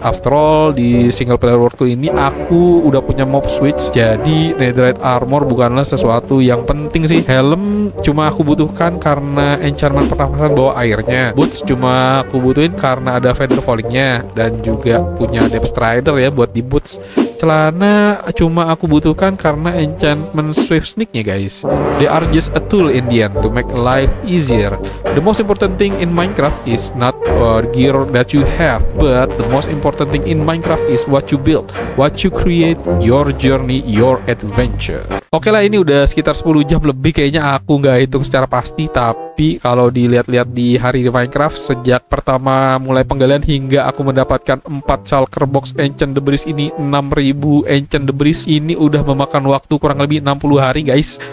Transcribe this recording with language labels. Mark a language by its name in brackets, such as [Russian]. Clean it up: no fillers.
[Indonesian] After all, di single player world ini aku udah punya mob switch, jadi Netherite armor bukanlah sesuatu yang penting sih. Helm cuma aku butuhkan karena enchantment pernafasan bawah airnya. Boots cuma aku butuhin karena ada feather fallingnya, dan juga punya depth strider ya buat di boots. Celana cuma aku butuhkan karena enchantment swift sneaknya guys. [English] They are just a tool in the end to make life easier. The most important thing in Minecraft is not gear that you have, but the most important thing in Minecraft is what you build, what you create, your journey, your adventure. [Indonesian] Oke lah, ini udah sekitar 10 jam lebih kayaknya, aku nggak hitung secara pasti. Tapi kalau dilihat-lihat di hari di Minecraft, sejak pertama mulai penggalian hingga aku mendapatkan 4 Chalker Box Ancient Debris ini, 6000 Ancient Debris ini udah memakan waktu kurang lebih 60 hari guys.